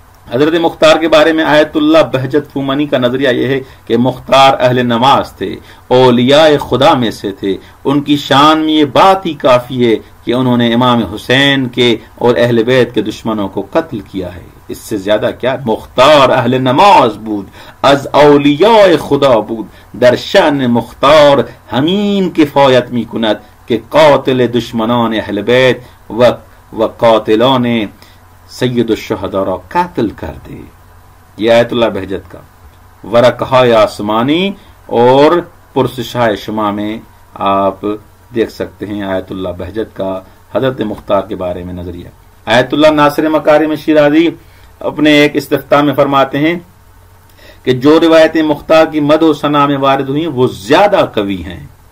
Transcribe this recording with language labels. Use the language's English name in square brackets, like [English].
[Urdu] حضرت مختار کے بارے میں آیت اللہ بہجت فومنی کا نظریہ یہ ہے کہ مختار اہل نماز تھے، اولیاء خدا میں سے تھے. ان کی شان میں یہ بات ہی کافی ہے کہ انہوں نے امام حسین کے اور اہل بیت کے دشمنوں کو قتل کیا ہے، اس سے زیادہ کیا. [Persian] مختار اہل نماز بود، از اولیاء خدا بود، در شان مختار همین کفایت می کند که قاتل دشمنان اہل بیت و قاتلان سید الشہداء را قتل [Urdu] کر دے. یہ آیت اللہ بہجت کا ورقہائے آسمانی اور پرسشائے شما میں آپ دیکھ سکتے ہیں آیت اللہ بہجت کا حضرت مختار کے بارے میں نظریہ. آیت اللہ ناصر مکارم شیرازی اپنے ایک استفتاح میں فرماتے ہیں کہ جو روایتیں مختار کی مد و ثنا میں وارد ہوئی ہیں وہ زیادہ قوی ہیں.